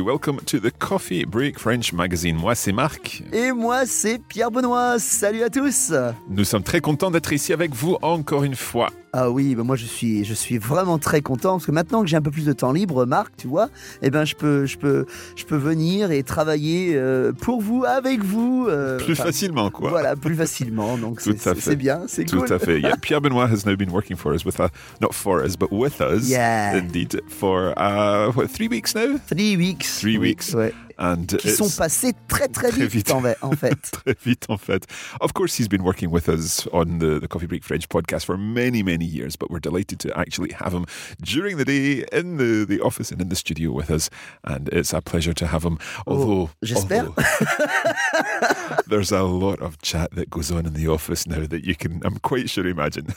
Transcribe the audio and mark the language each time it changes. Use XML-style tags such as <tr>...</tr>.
<en>Welcome to the Coffee Break French Magazine.</en> <fr>Moi, c'est Marc. Et moi, c'est Pierre Benoît. Salut à tous. Nous sommes très contents d'être ici avec vous encore une fois. Ah oui, ben moi je suis vraiment très content parce que maintenant que j'ai un peu plus de temps libre, Marc, tu vois, eh ben je peux venir et travailler pour vous, avec vous. Plus facilement, quoi. Voilà, plus facilement, donc c'est bien, c'est tout cool. Tout à fait. Yeah.</fr> <en>Pierre Benoît has now been working for us with us. Yeah. Indeed, for what, 3 weeks now? Three weeks.</en> <fr>Oui, ouais.</fr> <en>And</en> <fr>qui sont passés très vite en fait. Très vite en fait.</fr> <en>Of course, he's been working with us on the Coffee Break French podcast for many years, but we're delighted to actually have him during the day in the office and in the studio with us, and it's a pleasure to have him. Although, there's a lot of chat that goes on in the office now that you can, I'm quite sure, imagine.</en>